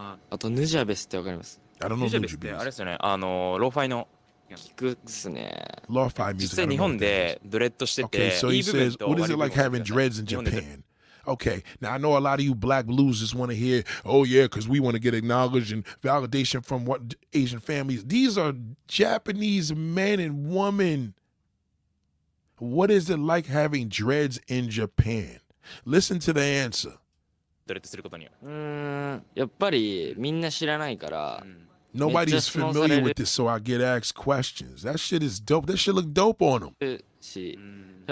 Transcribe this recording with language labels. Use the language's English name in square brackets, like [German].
[Japanese] あとヌジャベスってわかります？ [English] I don't know [Japanese] ヌジャベスってあれですよね。あのローファイの聞くっすね。 [English] Lo-fi music, [Japanese] 実際日本でドレッドしてて、 [English] okay, so、says, What is it like having dreads in Japan? Okay, now I know a lot of you black losers want to hear, oh yeah, because we want to get acknowledged and validation from what Asian families. These are Japanese men and women. What is it like having dreads in Japan? Listen to the answer. [Japanese] ドレッドすることには。やっぱりみんな知らないから。 [English] Nobody's familiar with this, so I get asked questions. That shit is dope. That shit look dope on him.